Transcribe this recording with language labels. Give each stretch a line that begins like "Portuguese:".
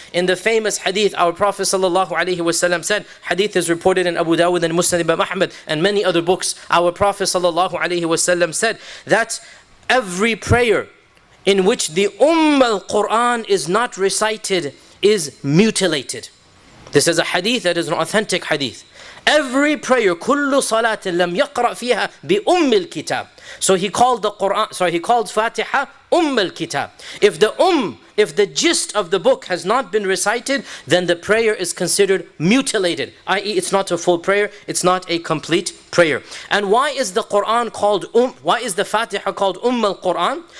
English: In the famous hadith, our Prophet sallallahu alayhi wasallam said, hadith is reported in Abu Dawud and Muslim ibn Ahmad and many other books, our Prophet sallallahu alayhi wasallam said that every prayer in which the al-Qur'an is not recited is mutilated. This is a hadith that is an authentic hadith. Every prayer,
Arabic: كل صلاة لم يقرأ فيها بأم الكتاب.
English: So he called the Quran, he called Fatiha أم الكتاب. If the if the gist of the book has not been recited, then the prayer is considered mutilated, i.e. it's not a full prayer, it's not a complete prayer. And why is the Quran called why is the Fatiha called al-Quran?